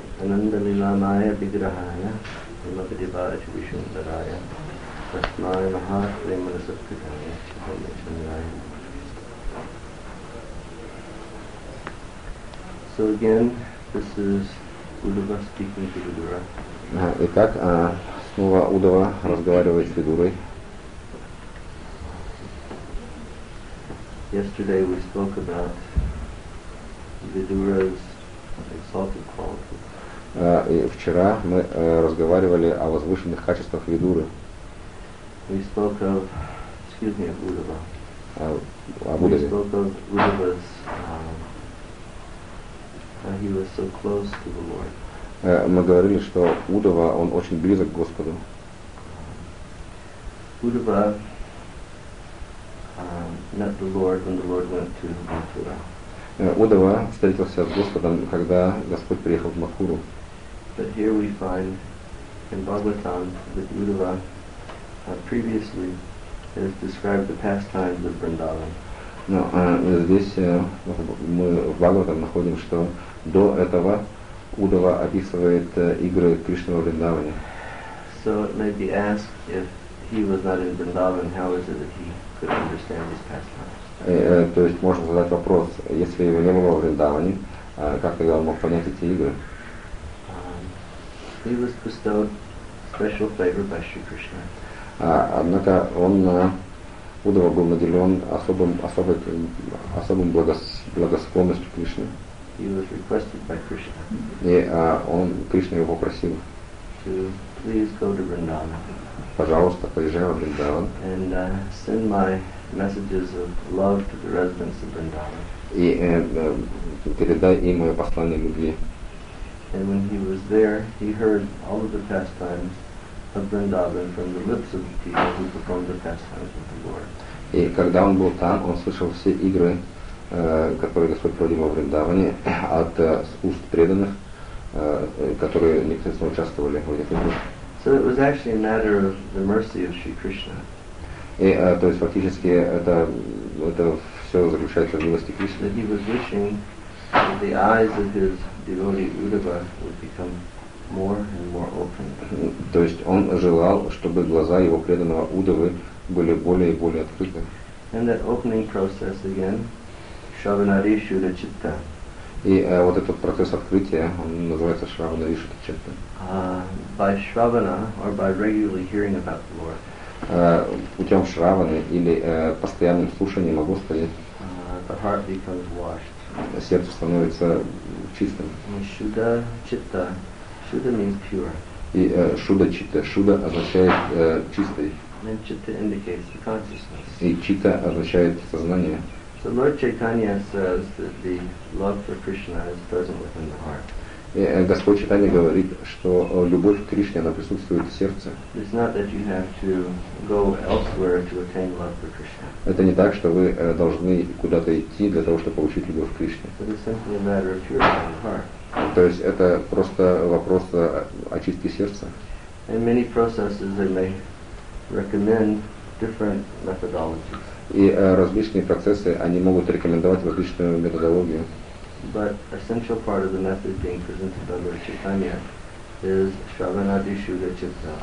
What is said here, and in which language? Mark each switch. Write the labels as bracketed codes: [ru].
[sa] आनंद लीलामाय विग्रहाय श्रीमती बारिश विशुंदराय तस्माय महाप्रेम सत्कृताय Chandrai. [en] So again, this is Uddhava speaking to Vidura. [ru] Итак, снова Удава разговаривает с Видурой. [en] Yesterday we spoke about Vidura's exalted qualities. [ru] И вчера мы разговаривали о возвышенных качествах Видуры. [en] We spoke of, excuse me, of Удава. [ru] Удаве. [en] We spoke of Удава's, how he was so close to the Lord. [ru] Мы говорили, что Удава, он очень близок к Господу. [en] Удава met the Lord when the Lord went to Mathura. [ru] Удава встретился с Господом, когда Господь приехал в Мадхуру. [en] But here we find in Bhagavatam that Udava previously has described the pastimes of Vrindavan. [ru] Но здесь мы в Бхагаватам находим, что до этого Удава описывает игры Кришны во Вриндаване. [en] So it may be asked, if he was not in Vrindavan, how is it that he could understand these pastimes? [ru] То есть можно задать вопрос, если его не было в Вриндаване, как тогда он мог понять эти игры? [en] He was bestowed special favor by Shri Krishna. [ru] Однако он Удава был наделен особым благосклонностью Кришны. [en] He was requested by Krishna. [ru] И он Кришна его попросил. [en] To please go to Vrindavan. [ru] Пожалуйста, поезжай в Вриндаван. [en] And send my messages of love to the residents of Vrindavan. [ru] И передай им мое послание любви. [en] And when he was there, he heard all of the pastimes of Vrindavan from the lips of the people who performed the pastimes with the Lord. [ru] И когда он был там, он слышал все игры, которые Господь проводил во Вриндаване, от уст преданных, которые непосредственно участвовали в этих играх. [en] So it was actually a matter of the mercy of Sri Krishna. [ru] И, то есть фактически это все заключается в милости Кришны. [en] That he was wishing that the eyes of his devotee Udava would become more and more open. [ru] То есть он желал, чтобы глаза его преданного Удавы были более и более открыты. [en] And that opening process again, [sa] Shravanari Shuddha Chitta. [ru] И вот этот процесс открытия, он называется [sa] Shravanari Shuddha Chitta. [en] By Shravana or by regularly hearing about the Lord. [ru] Путем Shravana или постоянным слушанием о Господе. [en] The heart becomes washed. [ru] Сердце становится чистым. [en] Shuddha Chitta. Shuddha means pure. [ru] И Shuddha Chitta. Shuddha означает чистый. [en] And chitta indicates the consciousness. [ru] И chitta означает сознание. [en] So Lord Chaitanya says that the love for Krishna is present within the heart. [ru] И Господь Чайтанья говорит, что любовь к Кришне, она присутствует в сердце. [en] It's not that you have to go elsewhere to attain love for Krishna. [ru] Это не так, что вы должны куда-то идти для того, чтобы получить любовь к Кришне. [en] But it's simply a matter of purifying the heart. [ru] То есть это просто вопрос очистки сердца. [en] And many processes that may recommend different methodologies. [ru] И различные процессы, они могут рекомендовать различную методологию. [en] But essential part of the method being presented by Lord Chaitanya is [sa] Shravanadi Shuddha Chitta.